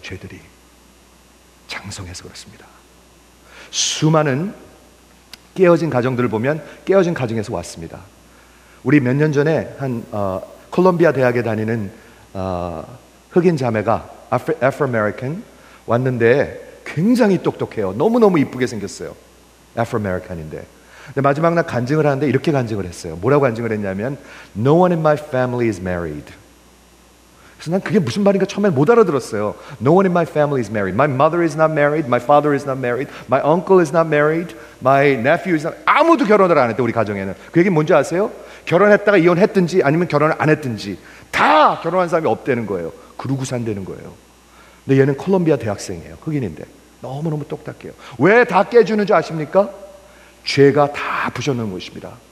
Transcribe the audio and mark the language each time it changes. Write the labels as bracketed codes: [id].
[ko] 죄들이 장성해서 그렇습니다. 수많은 깨어진 가정들을 보면 깨어진 가정에서 왔습니다. 우리 몇 년 전에 한 콜롬비아 대학에 다니는 흑인 자매가 아프로아메리칸 왔는데 굉장히 똑똑해요. 너무너무 이쁘게 생겼어요. 아프로아메리칸인데. 근데 마지막 날 간증을 하는데 이렇게 간증을 했어요. 뭐라고 간증을 했냐면 [en] No one in my family is married. [ko] 그래서 난 그게 무슨 말인가 처음에 못 알아들었어요. [en] No one in my family is married. My mother is not married. My father is not married. My uncle is not married. My nephew is not married. [ko] 아무도 결혼을 안 했대 우리 가정에는. 그 얘기 뭔지 아세요? 결혼했다가 이혼했든지 아니면 결혼을 안 했든지 다 결혼한 사람이 없대는 거예요. 그러고 산대는 거예요. 근데 얘는 콜롬비아 대학생이에요. 흑인인데. 너무너무 똑딱해요. 왜 다 깨주는 줄 아십니까? 죄가 다 부셔놓은 것입니다.